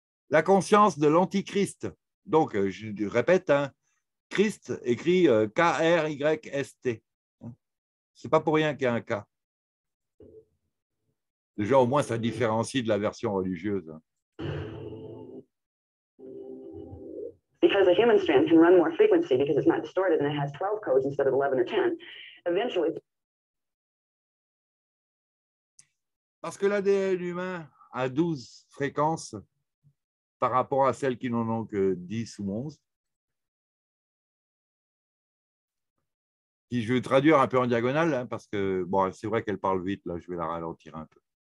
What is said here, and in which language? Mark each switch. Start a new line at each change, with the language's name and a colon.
French: La conscience de l'Antichrist. Donc, je répète, hein, Christ écrit K-R-Y-S-T. C'est pas pour rien qu'il y a un K. Déjà, au moins, ça différencie de la version religieuse.
English: Because a human strand can run more frequency because it's not distorted and it has 12 codes instead of 11 or 10. Eventually.
French: Parce que l'ADN humain a 12 fréquences par rapport à celles qui n'en ont que 10 ou 11. Puis je vais traduire un peu en diagonale, hein, parce que bon, c'est vrai qu'elle parle vite, là, je vais la ralentir un peu.